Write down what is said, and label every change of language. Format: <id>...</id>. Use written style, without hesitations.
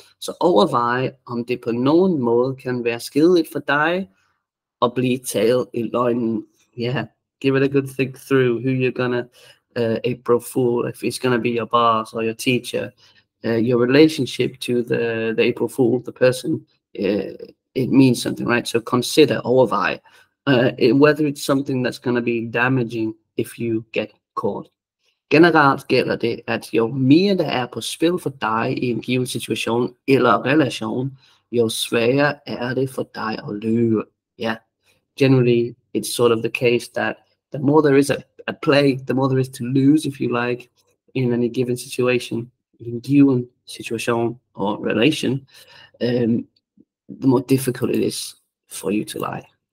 <da>Så overvej, om det på nogen måde kan være skidigt for dig at blive taget i løgnen.</da> <en>Yeah, give it a good think through who you're gonna April Fool, if it's gonna be your boss or your teacher. Your relationship to the April Fool, the person. It means something, right? So consider, overveje, whether it's something that's going to be damaging if you get caught.</en> <da>Generelt gælder det, at jo mere der er på spil for dig i en given situation eller relation, jo sværere er det for dig at lyve.</da> <en>Yeah. Generally, it's sort of the case that the more there is a play, the more there is to lose, if you like, in any given situation, in given situation or relation, the more difficult it is for you to lie.</en>